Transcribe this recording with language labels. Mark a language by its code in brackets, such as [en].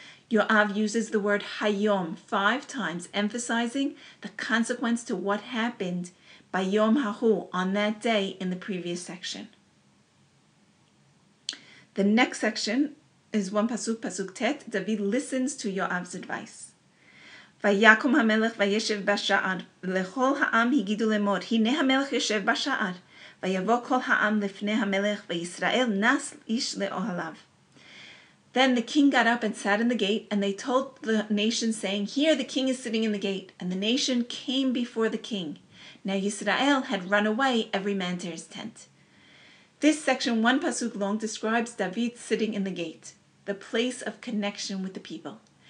[en] Yoav uses the word Hayom 5 times, emphasizing the consequence to what happened by Yom Hahu on that day in the previous section. The next section is one pasuk, pasuk tet. David listens to Yoav's advice. [he] ויקום המלך וישב בשער, לכל העם הגידו למות, הנה המלך יושב בשער, ויבוא כל העם לפני המלך, וישראל נס איש לאוהליו. [en] Then the king got up and sat in the gate, and they told the nation, saying, here the king is sitting in the gate. And the nation came before the king. Now Israel had run away, every man to his tent. This section, one pasuk long, describes David sitting in the gate, the place of connection with the people.